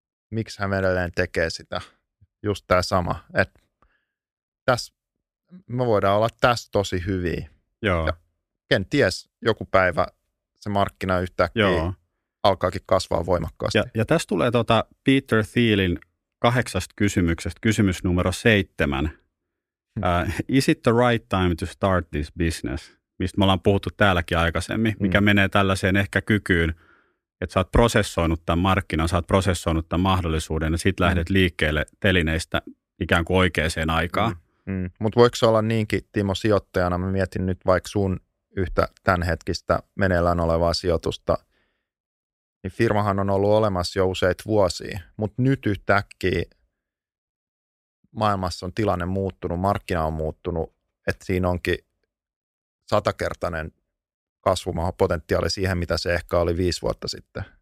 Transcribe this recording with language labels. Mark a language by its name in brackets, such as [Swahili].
[Finnish] Miksi hän edelleen tekee sitä? Just tämä sama. Et me voidaan olla tässä tosi hyviä. Joo. Ja, kenties joku päivä se markkina yhtäkkiä joo. alkaakin kasvaa voimakkaasti. Ja tässä tulee Peter Thielin 8 kysymyksestä, kysymys numero 7. [English] Is it the right time to start this business? [Finnish] Mistä me ollaan puhuttu täälläkin aikaisemmin, mikä menee tällaiseen ehkä kykyyn, että sä oot prosessoinut tämän markkinan, sä oot prosessoinut tämän mahdollisuuden ja sit lähdet liikkeelle telineistä ikään kuin oikeaan aikaan. Mutta voiko se olla niinkin, Timo, sijoittajana, mä mietin nyt vaikka sun yhtä tämänhetkistä meneillään olevaa sijoitusta, niin firmahan on ollut olemassa jo useita vuosia, mutta nyt yhtäkkiä maailmassa on tilanne muuttunut, markkina on muuttunut, että siinä onkin 100-kertainen kasvupotentiaali siihen, mitä se ehkä oli 5 vuotta sitten.